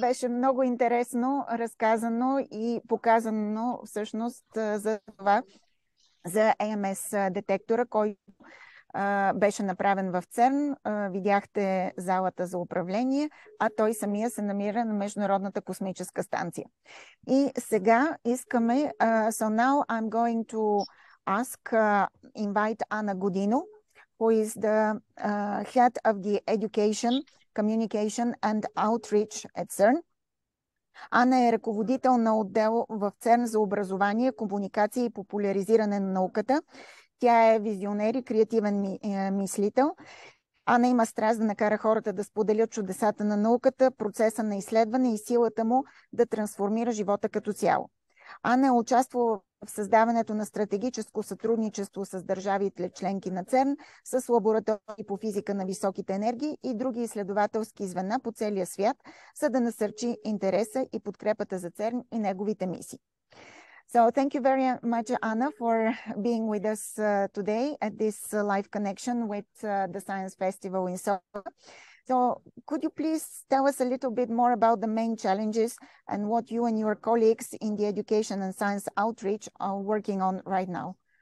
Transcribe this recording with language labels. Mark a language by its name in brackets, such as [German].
[Bulgarian] Беше много интересно разказано и показано всъщност за това, за AMS детектора, който беше направен в ЦЕРН. Видяхте залата за управление, а той самия се намира на Международната космическа станция. И сега искаме... [English] So now I'm going to ask, invite Anna Godino, who is the head of the education, communication and outreach at CERN. [Bulgarian] Анна е ръководител на отдел в CERN за образование, комуникация и популяризиране на науката. Тя е визионер и креативен мислител. Анна има страст да накара хората да споделят чудесата на науката, процеса на изследване и силата му да трансформира живота като цяло. Анна е участвала в създаването на стратегическо сътрудничество с държавите членки на ЦЕРН, с лаборатории по физика на високите енергии и други изследователски звена по целия свят, за да насърчи интереса и подкрепата за ЦЕРН и неговите мисии. [English] So thank you very much, Anna, for being with us today at this live connection with the Science Festival in Sofia. So could you please tell us a little bit more about the main challenges and what you and your colleagues in the education and science outreach are working on right now?